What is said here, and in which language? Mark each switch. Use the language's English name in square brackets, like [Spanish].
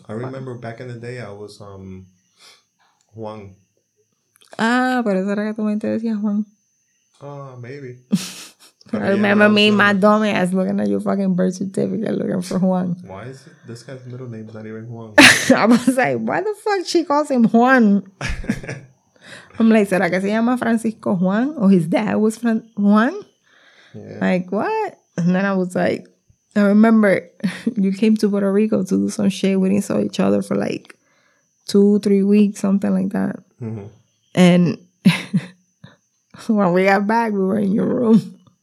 [English] I remember back in the day, I was Juan. [Spanish] Ah, por eso era que tú me interesías, Juan. [English] Oh, maybe. I remember me, my dumb ass, looking at your fucking birth certificate, looking for Juan. Why is it, this guy's middle name not even Juan? I was like, why the fuck she calls him Juan? I'm like, [Spanish] ¿será que se llama Francisco Juan? [English] Or his dad was Juan? Yeah. Like, what? And then I was like, I remember you came to Puerto Rico to do some shit. We didn't saw each other for like 2-3 weeks, something like that. Mm-hmm. And when we got back, we were in your room.